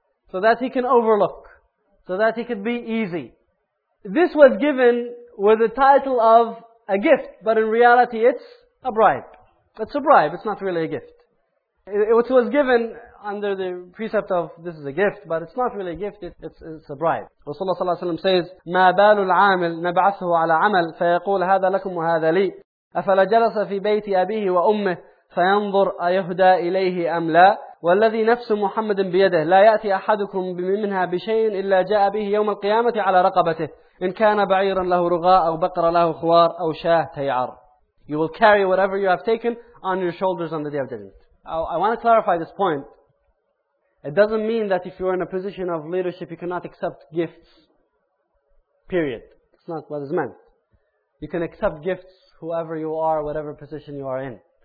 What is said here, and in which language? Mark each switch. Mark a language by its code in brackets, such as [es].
[en] So that he can overlook. So that he could be easy. This was given with the title of a gift, but in reality it's a bribe. It's a bribe, it's not really a gift. It was given under the precept of this is a gift, but it's not really a gift, it's a bribe. Rasulullah sallallahu alayhi wa sallam says, [ar] مَا بَالُ الْعَامِلِ نَبْعَثُهُ عَلَىٰ عَمَلٍ فَيَقُولَ هَذَا لَكُمْ وَهَذَا لِي أَفَلَ جَلَسَ فِي بَيْتِ أَبِيهِ وَأُمِّهِ فَيَنْظُرْ أَيَهُدَى إِلَيْهِ أَمْ لَا وَالَّذِي نَفْسُ مُحَمَّدٍ بِيَدِهِ لَا يَأْتِي أَحَدُكُمْ بِمِنْهَا بِشَيْءٍ إِلَّا جَاءَ بِهِ يَوْمَ الْقِيَامَةِ عَلَىٰ رَقَبَتِهِ إِنْ كَانَ بَعِيرًا لَهُ رُغَاءً أَوْ بَقْرَ لَهُ خُوَارٍ أَوْ شَاهْ تَيْعَرْ. [en] You will carry whatever you have taken on your shoulders on the day of judgment. I want to clarify this point. It doesn't mean that if you are in a position of leadership, you cannot accept gifts. Period. It's not what is meant. You can accept gifts whoever you are, whatever position you are in.